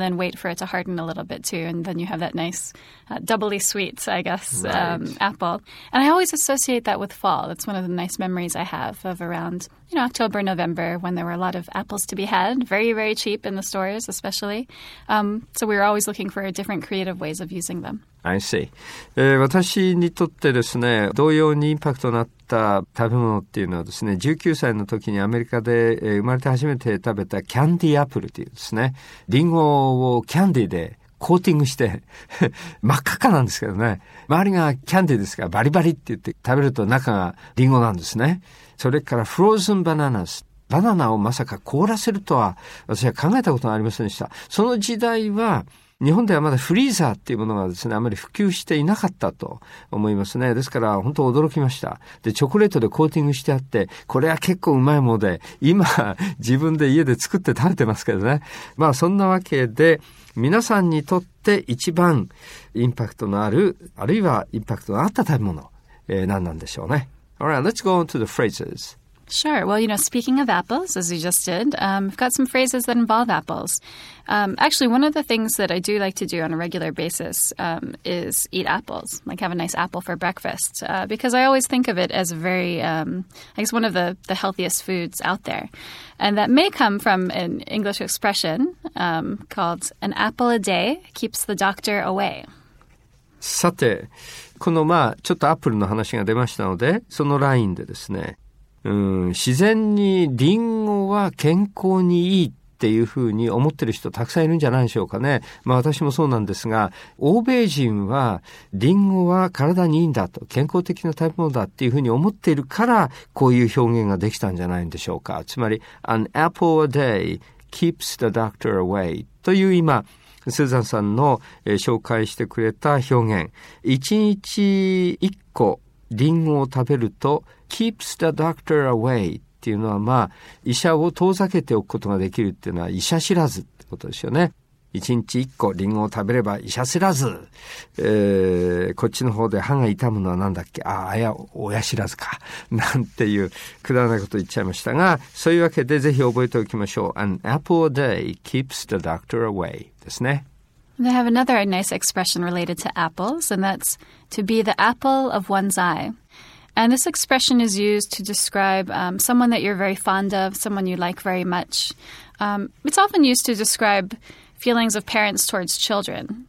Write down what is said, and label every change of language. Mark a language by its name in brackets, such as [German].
[English] and then wait for it to harden a little bit too. And then you have that nice, doubly sweet, I guess, right. Apple. And I always associate that with fall. That's one of the nice memories I have of around, you know, October, November, when there were a lot of apples to be had, very, very cheap in the stores especially. So we were always looking for different creative ways of using them. I see. [Japanese] 私にとってですね、同様にインパクトのあった食べ物っていうのはですね、19歳の時にアメリカで生まれて初めて食べたキャンディーアップルっていうですね、リンゴをキャンディーでコーティングして真っ赤かなんですけどね、周りがキャンディーですからバリバリって言って食べると中がリンゴなんですね。それからフローズンバナナス、バナナをまさか凍らせるとは私は考えたことがありませんでした。その時代は日本ではまだフリーザーっていうものがですね、あまり普及していなかったと思いますね。ですから本当驚きました。で、チョコレートでコーティングしてあって、これは結構うまいもので、今自分で家で作って食べてますけどね。まあそんなわけで、皆さんにとって一番インパクトのある、あるいはインパクトのあった食べ物、何なんでしょうね。 [English] Alright, let's go on to the phrases. Sure. Well, you know, speaking of apples, as you just did, I've got some phrases that involve apples. Actually, one of the things that I do like to do on a regular basis is eat apples, like have a nice apple for breakfast, because I always think of it as a very, I guess, one of the healthiest foods out there. And that may come from an English expression called an apple a day keeps the doctor away. [Japanese] さて、このまあちょっとアップルの話が出ましたので、そのラインでですね、自然にリンゴは健康にいいっていうふうに思ってる人たくさんいるんじゃないでしょうかね。まあ私もそうなんですが、欧米人はリンゴは体にいいんだと、健康的な食べ物だっていうふうに思っているから、こういう表現ができたんじゃないんでしょうか。つまり、 [English] an apple a day keeps the doctor away [Japanese] という今、スーザンさんの紹介してくれた表現。一日一個リンゴを食べると、 [English] keeps the doctor away [Japanese] っていうのはまあ医者を遠ざけておくことができるっていうのは医者知らずってことですよね。一日一個リンゴを食べれば医者知らず、こっちの方で歯が痛むのはなんだっけ、ああや親知らずかなんていうくだらないこと言っちゃいましたが、そういうわけでぜひ覚えておきましょう。 [English] An apple a day keeps the doctor away [Japanese] ですね。 [English] They have another nice expression related to apples, and that's to be the apple of one's eye. And this expression is used to describe someone that you're very fond of, someone you like very much. It's often used to describe feelings of parents towards children.